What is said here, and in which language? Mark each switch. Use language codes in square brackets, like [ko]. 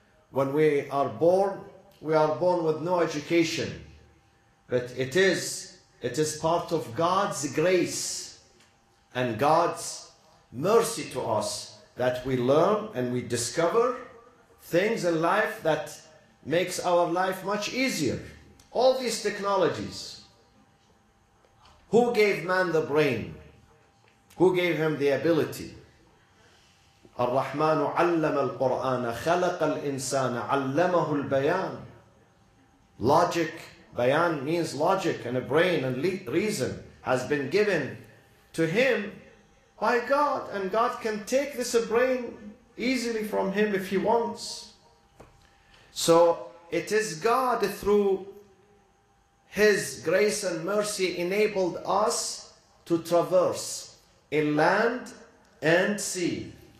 [en] When we are born, we are born with no education, but it is part of God's grace and God's mercy to us that we learn and we discover things in life that makes our life much easier. All these technologies, who gave man the brain? Who gave him the ability? [ar] الرحمن علم القرآن خلق الإنسان علمه البيان. [en] Logic, bayan means logic, and a brain and reason has been given to him by God, and God can take this brain easily from him if he wants. So it is God through his grace and mercy enabled us to traverse in land and sea.